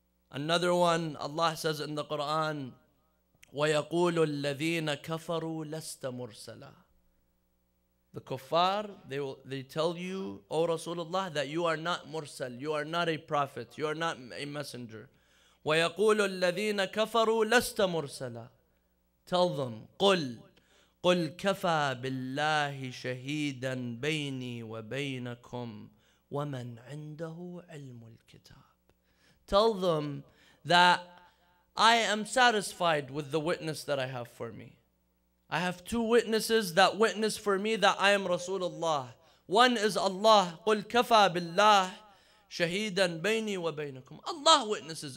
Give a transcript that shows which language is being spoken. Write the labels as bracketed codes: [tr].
[en] Another one, Allah says in the Quran, [ar] وَيَقُولُ الَّذِينَ كَفَرُوا لَسْتَ مُرْسَلًا. [en] The kuffar, they tell you, O Rasulullah, that you are not mursal, you are not a prophet, you are not a messenger. [ar] وَيَقُولُ الَّذِينَ كَفَرُوا لَسْتَ مُرْسَلًا. [en] Tell them, [ar] قُلْ كَفَى بِاللَّهِ شَهِيدًا بَيْنِي وَبَيْنَكُمْ وَمَنْ عِنْدَهُ عِلْمُ الْكِتَابِ. [en] Tell them that I am satisfied with the witness that I have for me. I have two witnesses that witness for me that I am Rasulullah. One is Allah. [ar] قُلْ كَفَى بِاللَّهِ شَهِيدًا بَيْنِي وَبَيْنَكُمْ. [en] Allah witnesses.